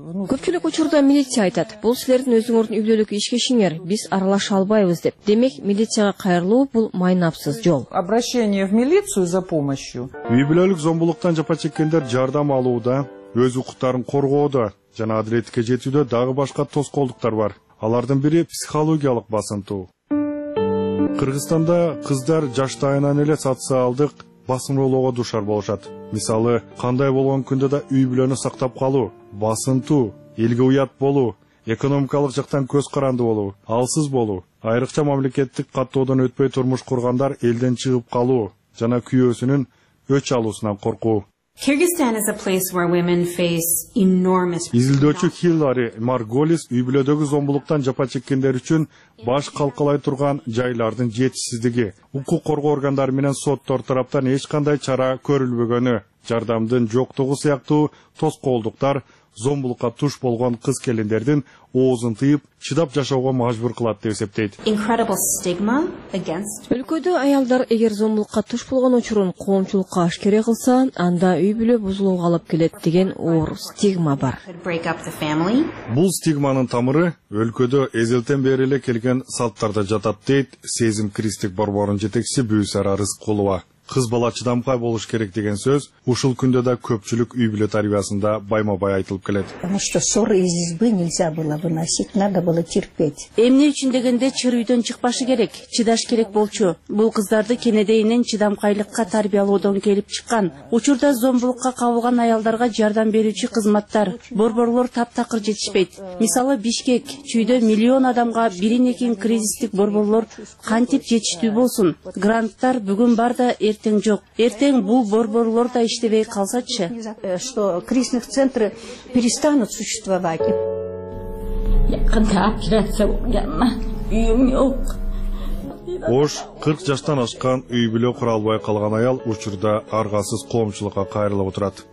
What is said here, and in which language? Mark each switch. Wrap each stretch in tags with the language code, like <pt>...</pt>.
<ky>Көпчүлүк учурда милиция айтат, бул силердин өзүңөрдүн үй бүлөлүк ишкешиңер, биз аралаша албайбыз деп. Демек, милицияга кайрылуу бул майнапсыз жол.</ky> <ru>Обращение в милицию за помощью.</ru> <ky>Үй бүлөлүк зомбулуктан жапа чеккендер жардам алууда, өз укуктарын коргоодо жана адилеттикке жетүүдө дагы башка тоскоолдуктар бар. Алардын бири психологиялык басынтуу. Кыргызстанда кыздар жаштайынан эле социалдык басынтууга дуушар болушат. Мисалы, кандай болгон күндө да үй бүлөнү сактап калуу, басынтуу, элге уят болуу, экономикалык жактан көз каранды болуу, алсыз болуу, айрыкча мамлекеттик каттоодон өтпөй турмуш кургандар элден чыгып калуу жана күйөөсүнүн өч алуусунан коркуу.</ky> <en>Kyrgyzstan is a place where women face enormous</en> <ky>изилдөөчү Хиллари Марголис үй бүлөдөгү зомбулуктан жапа чеккендер үчүн баш калкалай турган жайлардын жетишсиздиги, укук коргоо органдары менен соттор тараптан эч кандай чара көрүлбөгөнү, жардамдын жоктугу сыяктуу тоскоолдуктар зомбулукка туш болгон кыз келиндердин оозун тыйып чыдап жашоого мажбур кылат деп эсептейт. Өлкөдө аялдар эгер зомбулукка туш болгон учурун коомчулукка ашкере кылса, анда үй бүлө бузулууга алып келет деген оор стигма бар. Бул стигманын тамыры өлкөдө эзелтен бери эле келген салттарда жатат, дейт Сезим Кристик борборунун жетекчиси Бүйсара Рыскулова. Кыз бала чыдамкай болуш керек деген сөз ушул күндө да көпчүлүк үй бүлө тарбиясында байма-бай айтылып келет.</ky> <ru>Ну что, ссоры из избы нельзя было выносить, надо было терпеть.</ru> <ky>Эмне үчүн дегенде чыр үйдөн чыкпашы керек, чыдаш керек болчу. Бул кыздарды кенедейинен чыдамкайлыкка тарбиялоодон келип чыккан. Учурда зомбулукка кабылган аялдарга жардам берүүчү кызматтар, борборлор таптакыр жетишпейт. Мисалы, Бишкек, чүйдө миллион адамга бирин-экин кризистик борборлор кантип жетиштүү болсун? Гранттар бүгүн бар да эртең жок. Эртең бул борборлор да иштебей калсачы,</ky> <ru>что кризисных центры перестанут существовать.</ru> <ky>Якында операция болганына үйүм жок. Ош 40 жаштан ашкан үй бүлө кура албай калган аял учурда аргасыз коомчулукка кайрылып отурат.</ky>